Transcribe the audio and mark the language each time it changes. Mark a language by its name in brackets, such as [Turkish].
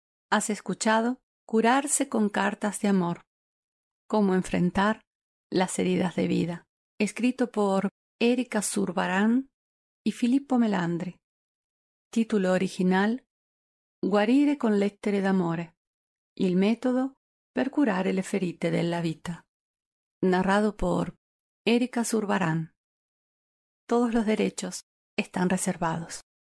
[Spanish] Has escuchado Curarse con cartas de amor. Cómo enfrentar las heridas de vida. Escrito por Erika Zurbaràn y Filippo Melandri. Título original: Guarire con lettere d'amore. [Italian] Il metodo per curare le ferite della vita. [Spanish] Narrado por Erika Zurbaràn. Todos los derechos están reservados.